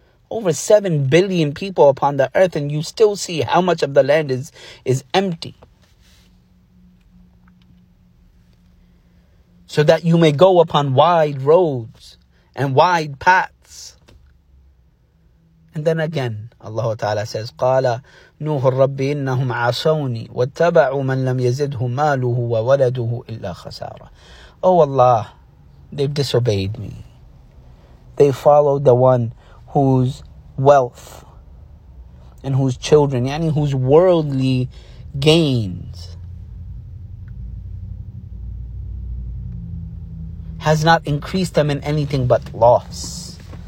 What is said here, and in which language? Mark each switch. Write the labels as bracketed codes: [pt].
[en] Over 7 billion people upon the earth and you still see how much of the land is empty. So that you may go upon wide roads and wide paths. And then again, Allah Ta'ala says, [ar] قَالَ نُوحُ الرَّبِّ إِنَّهُمْ عَصَوْنِي وَاتَّبَعُوا مَنْ لَمْ يَزِدْهُ مَالُهُ وَوَلَدُهُ إِلَّا خَسَارًا [en] Oh Allah, they've disobeyed me. They followed the one whose wealth and whose children, yani whose worldly gains has not increased them in anything but loss.